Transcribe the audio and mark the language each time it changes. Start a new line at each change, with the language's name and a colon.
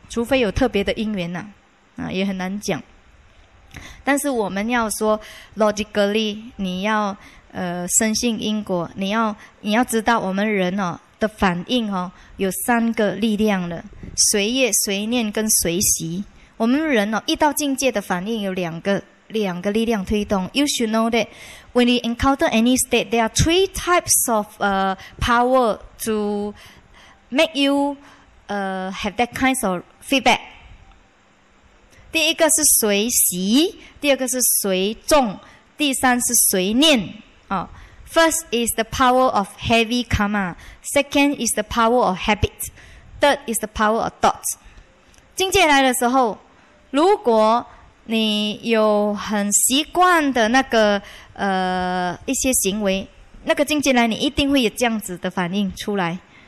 Chinese: 除非有特别的因缘呢、啊，也很难讲。但是我们要说 logically， 你要深信因果，你要知道我们人哦的反应哦有三个力量的，随业、随念跟随习。我们人哦一到境界的反应有两个两个力量推动。
English: You should know that when you encounter any state, there are three types of power to make you have that kind of feedback.
Chinese: 第一个是随喜，第二个是随众，第三是随念。
English: First is the power of heavy karma. Second is the power of habit. Third is the power of thought.
Chinese: 境界来的时候，如果你有很习惯的那个一些行为，那个境界来，你一定会有这样子的反应出来。